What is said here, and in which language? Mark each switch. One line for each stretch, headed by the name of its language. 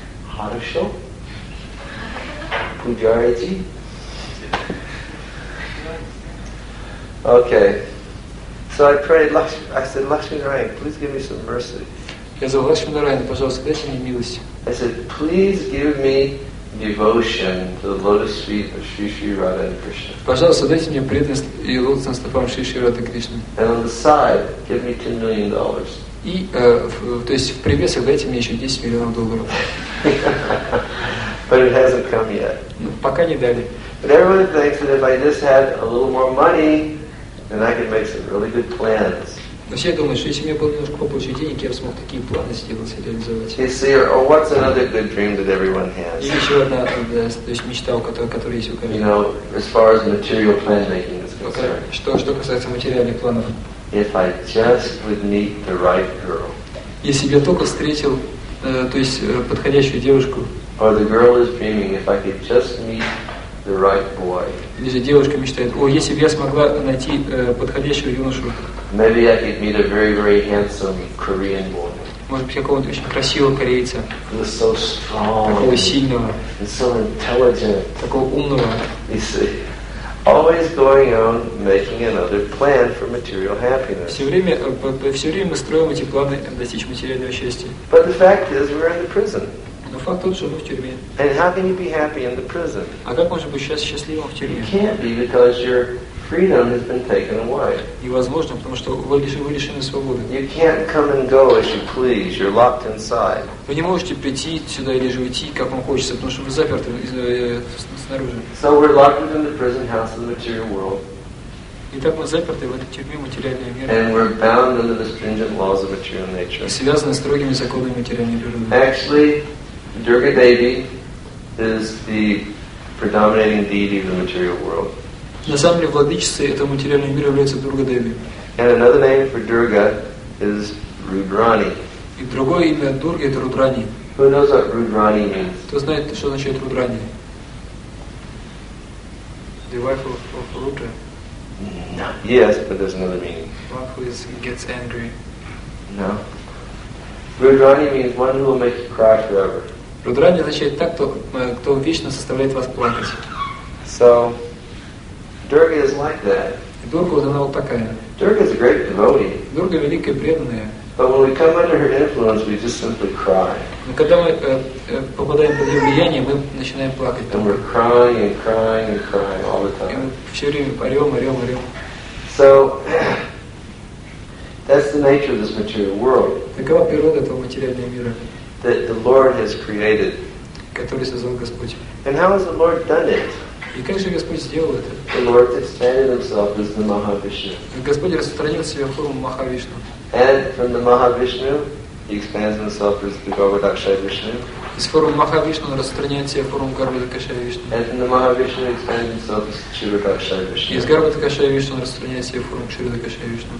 Russian: Хорошо. Пуджарити.
English: Окей. So I prayed, I said, Лакшми Нараяна, please give me some mercy.
Russian: Я сказал: Лакшми Нараяна, пожалуйста, дайте мне милость.
English: I said, please give me devotion to the lotus feet of Sri Sri Radha and Krishna.
Russian: Пожалуйста, дайте мне преданность и лотосным стопам Шри Шри Радха Кришны.
English: And on the side, give me $10 million.
Russian: И то есть в привесах дайте мне еще $10 миллионов.
English: But it hasn't come yet.
Russian: Пока не дали.
English: But everyone thinks that if I just had a little more money, then I could make some really good plans.
Russian: Но все думают, что если у меня было немножко побольше денег, я бы смог такие планы сделать и реализовать.
English: You see, or what's another good dream that everyone has?
Russian: И еще одна, то есть мечта, которая есть у каждого.
English: You know, as far as material plan making is concerned.
Russian: Что касается материальных планов.
English: If I just would meet the right girl.
Russian: Если бы я только встретил, то есть подходящую девушку.
English: Or the girl is dreaming, if I could just meet the right boy.
Russian: Или же девушка мечтает: о, если бы я смогла найти подходящего юношу.
English: Maybe I could meet a very, very handsome Korean boy.
Russian: Может быть, какого-то очень красивого корейца.
English: Who is so strong.
Russian: Такого сильного.
English: And so intelligent.
Russian: Такого умного.
English: You see, always going on making another plan for material happiness.
Russian: Все время мы строим эти планы достичь материального счастья.
English: But the fact is, we're in the prison.
Russian: Но факт тот, что мы в тюрьме.
English: And how can you be happy in the prison?
Russian: А как можно быть счастливым в тюрьме?
English: You can't be because your freedom has been taken away.
Russian: Невозможно, потому что вы лишены свободы.
English: You can't come and go as you please. You're locked inside.
Russian: Вы не можете прийти сюда или же уйти, как вам хочется, потому что вы заперты снаружи.
English: So we're locked within the prison house of the material world.
Russian: Итак, мы заперты в этой тюрьме материальной мира.
English: And we're bound under the stringent laws of material nature.
Russian: И связаны строгими законами материальной природы.
English: Actually, Durga Devi is the predominating deity of the material world.
Russian: На самом деле, владычицей этого материального мира является Дурга Деви.
English: And another name for Durga is Rudrani.
Russian: И другое имя Дурги это Рудрани.
English: Who knows what Rudrani means?
Russian: Кто знает, что означает Рудрани?
English: The wife of Rudra. No. Yes, but there's another meaning. One who gets angry. No. Rudrani means one who will make you cry forever.
Russian: Rudrani означает так, кто вечно заставляет вас плакать.
English: So, Durga is like that.
Russian: Durga вот она вот такая.
English: Durga is a great devotee.
Russian: Durga великая преданная.
English: But when we come under her influence, we just simply cry.
Russian: Но когда мы попадаем под ее влияние, мы начинаем плакать.
English: And we're crying and crying and crying all the time.
Russian: И мы все время орем.
English: So, that's the nature of this material world.
Russian: Такова природа этого материального мира.
English: That the Lord has created.
Russian: Который создал Господь.
English: And how has the Lord done it?
Russian: И как же Господь сделал это?
English: The Lord expanded Himself as the Mahavishnu.
Russian: Господь распространил себя в форму Махавишну.
English: And from the Mahavishnu, He expands Himself as the Govardhakshaya Vishnu.
Russian: Из формы Махавишну он распространяет себя в форму Гарбхадакшая Вишну.
English: And from the Mahavishnu, He expands Himself as the Чирадакшая Вишну.
Russian: Из Гарбхадакшая Вишну он распространяет себя в форму Чирадакшая Вишну.